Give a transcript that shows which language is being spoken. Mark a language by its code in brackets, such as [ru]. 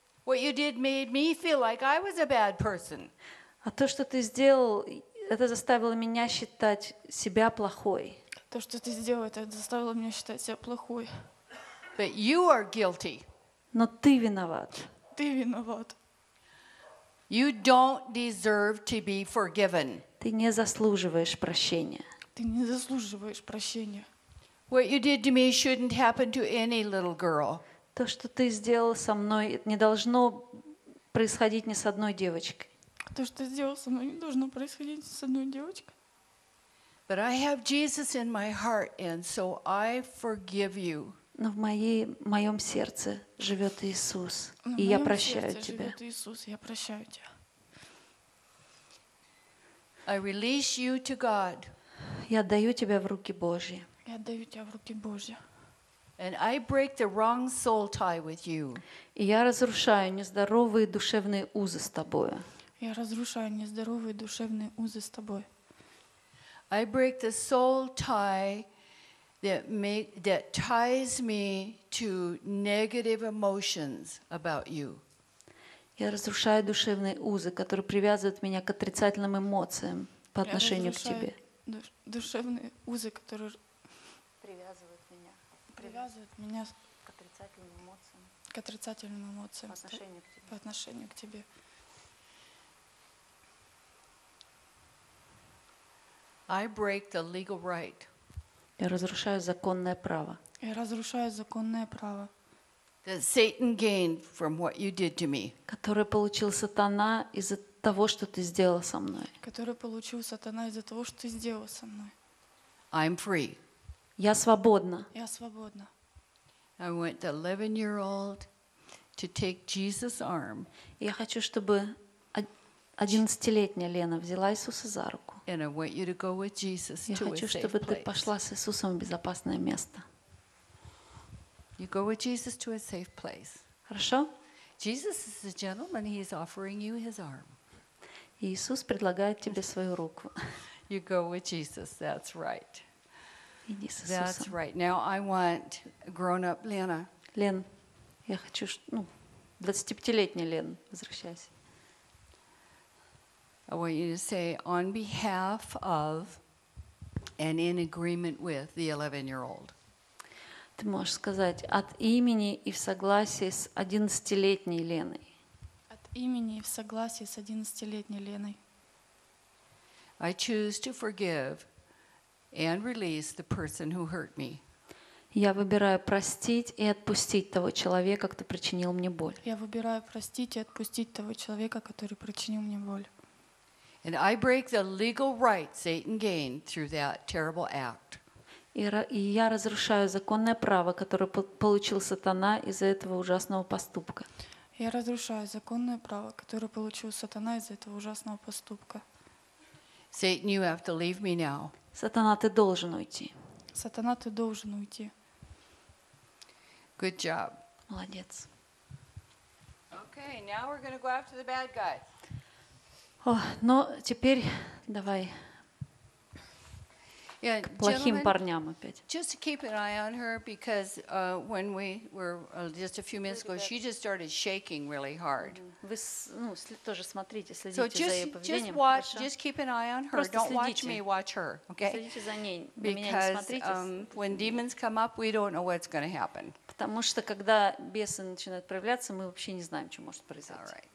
[en] What you did made me feel like I was a bad person. [ru] А то, что ты сделал, это заставило меня считать себя плохой. То, что ты сделал, это заставило меня считать себя плохой. [en] But you are guilty. [ru] Но ты виноват. Ты виноват. [en] You don't deserve to be forgiven. [ru] Ты не заслуживаешь прощения. Ты не заслуживаешь прощения. [en] What you did to me shouldn't happen to any little girl. [ru] То, что ты сделал со мной, не должно происходить ни с одной девочкой. То, что ты сделал со мной, не должно происходить с одной девочкой. [en] But I have Jesus in my heart, and so I forgive you. [ru] Но в моем сердце живет Иисус, и я прощаю тебя. Живет Иисус, я прощаю тебя. [en] I release you to God. [ru] Я отдаю тебя в руки Божьи. Я отдаю тебя в руки Божьи. [en] And I break the wrong soul tie with you. [ru] И я разрушаю нездоровые душевные узы с тобою. Я разрушаю нездоровые душевные узы с тобой. [en] I break the soul tie that ties me to negative emotions about you. [ru] Я разрушаю душевные узы, которые привязывают меня к отрицательным эмоциям по отношению к тебе. Душевные узы, которые привязывают меня к отрицательным эмоциям. К отрицательным эмоциям по отношению к тебе. [en] I break the legal right. [ru] Я разрушаю законное право. Я разрушаю законное право. [en] That Satan gained from what you did to me. [ru] Которое получил сатана из-за того, что ты сделал со мной. Которое получил сатана из-за того, что ты сделал со мной. [en] I'm free. [ru] Я свободна. Я свободна. [en] I want the 11-year-old to take Jesus' arm. [ru] Я хочу, чтобы 11-летняя Лена взяла Иисуса за руку. [en] And I want you to go with Jesus to a safe place. [ru] Я хочу, чтобы ты пошла с Иисусом в безопасное место. [en] You go with Jesus to a safe place. [ru] Хорошо? [en] Jesus is a gentleman. He is offering you his arm. [ru] Иисус предлагает тебе свою руку. [en] You go with Jesus. That's right. [ru] Иди с Иисусом. [en] That's right. Now I want grown-up Lena. [ru] Лен, я хочу, 25-летняя Лен, возвращайся. [en] I want you to say on behalf of and in agreement with the 11-year-old. [ru] Ты можешь сказать от имени и в согласии с 11-летней Леной. От имени и в согласии с 11-летней Леной. [en] I choose to forgive and release the person who hurt me. [ru] Я выбираю простить и отпустить того человека, кто причинил мне боль. Я выбираю простить и отпустить того человека, который причинил мне боль. [en] And I break the legal right Satan gained through that terrible act. [ru] И я разрушаю законное право, которое получил сатана из-за этого ужасного поступка. Я разрушаю законное право, которое получил сатана из-за этого ужасного поступка. [en] Satan, you have to leave me now. [ru] Сатана, ты должен уйти. Сатана, ты должен уйти. [en] Good job. [ru] Молодец. [en] Okay, now we're going to go after the bad guys. [ru] Но теперь давай к плохим парням опять. [en] Just to keep an eye on her because when we were just a few minutes ago, she just started shaking really hard. [ru] Вы тоже смотрите, следите за ее поведением. [en] Just watch, just keep an eye on her. Don't watch me, watch her. Okay? [ru] Следите за ней, на меня не смотрите. [en] Because when demons come up, we don't know what's going to happen. [ru] Потому что когда бесы начинают проявляться, мы вообще не знаем, что может произойти.